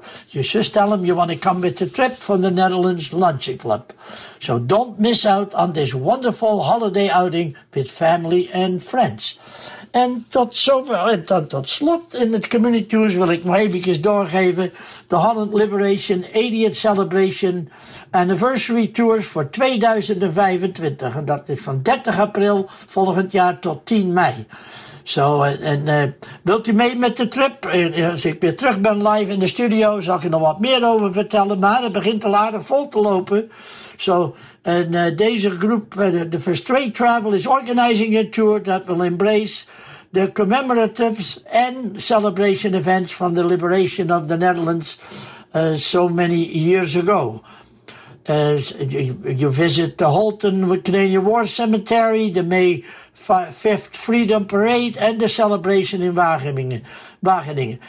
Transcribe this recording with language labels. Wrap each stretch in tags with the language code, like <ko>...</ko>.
<en>You just tell them you want to come with a trip from the Netherlands Luncheon Club. So don't miss out on this wonderful holiday outing with family and friends.</en> <nl>En tot zover, en dan tot slot in het Community News wil ik nog eventjes doorgeven. De Holland Liberation 80th Celebration Anniversary Tours voor 2025. En dat is van 30 april volgend jaar tot 10 mei. Zo, wilt u mee met de trip? Als ik weer terug ben live in de studio, zal ik er nog wat meer over vertellen. Maar het begint al aardig vol te lopen. Zo, deze groep, de</nl> <en>First Trade Travel, is organizing a tour that will embrace the commemoratives and celebration events from the liberation of the Netherlands so many years ago. You visit the Holton Canadian War Cemetery, the May 5th Freedom Parade and the celebration in Wageningen.</en>